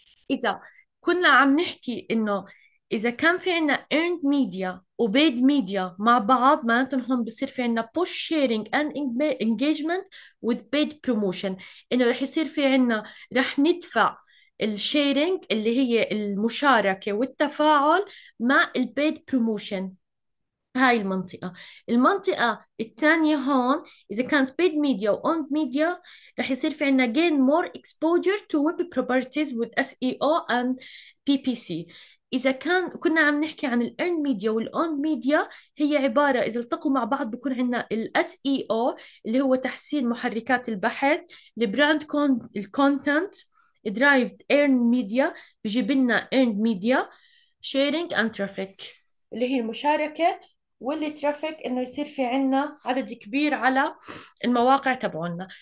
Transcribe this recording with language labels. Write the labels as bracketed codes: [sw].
[ar] اذا كنا عم نحكي انه إذا كان في عنا earned media و paid media مع بعض، معناته هون بصير في عنا [en] push sharing and engagement with paid promotion، [ar] إنه رح يصير في عنا رح ندفع الشيرينج اللي هي المشاركة والتفاعل مع ال paid promotion. هاي المنطقة. المنطقة الثانية هون إذا كانت [en] paid media و earned media، [ar] رح يصير في عنا [en] gain more exposure to web properties with SEO and PPC. [ar] إذا كان كنا عم نحكي عن الـ earned media والـ owned media، هي عبارة إذا التقوا مع بعض بكون عندنا الـ SEO اللي هو تحسين محركات البحث، الـ [en] brand content derived earned media [ar] بجيب لنا [en] earned media sharing and traffic [ar] اللي هي المشاركة، واللي traffic إنه يصير في عندنا عدد كبير على المواقع تبعونا.